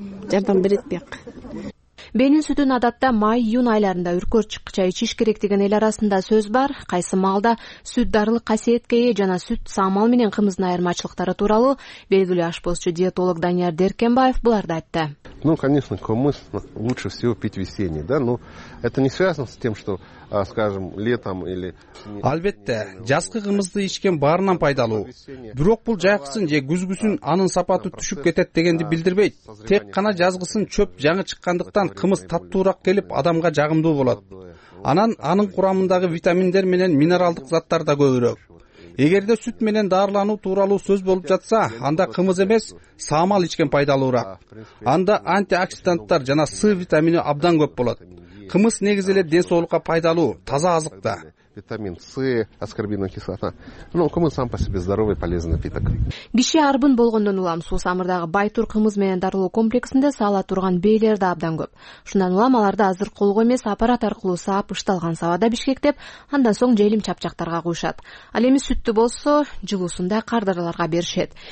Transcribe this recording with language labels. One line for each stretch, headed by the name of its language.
Kyrgyz: Жардам берет бек. Бенин сүтүн адатта май, июнь айларында үркөр чыккыча ичиш керек деген эл арасында сөз бар. Кайсы маалда сүт дарылык касиетке ээ жана сүт саамал менен кымыздын айырмачылыктары тууралуу белгилүү ашпозчу диетолог Данияр Деркенбаев буларды айтты.
Russian: Ну, конечно, кумыс лучше всего пить весенний, да? Но это не связано с тем, что, скажем, летом или...
Kyrgyz: Албетте, жазгы кымызды ичкен баарынан пайдалуу. Бирок бул жайкысын же күзгүсүн анын сапаты түшүп кетет дегенди билдирбейт. Тек гана жазгысын чөп жаңы чыккандыктан кымыз таттуураак келип адамга жагымдуу болот. Анан анын курамындагы витаминдер менен минералдык заттар да көбүрөөк. Эгерде сүт менен даарылануу тууралуу сөз болуп жатса, анда кымыз эмес, саамал ичкен пайдалуураак. Анда антиоксиданттар жана С витамини абдан көп болот. Кымыз негизи эле ден соолукка пайдалуу, таза азык да.
Russian: Витамин С, аскорбиновая кислота. Ну, кымыз сам по себе здоровый, полезный напиток.
Kyrgyz: Киши арбын болгондон улам суусамырдагы Байтур кымыз менен дарылоо комплексинде саала турган бейлер да абдан көп. Ушундан улам аларды азыр колго эмес аппарат аркылуу саап, ышталган сабада бишкектеп, андан соң желим чапчактарга куюшат. Ал эми сүттү болсо, жылуусунда кардарларга беришет.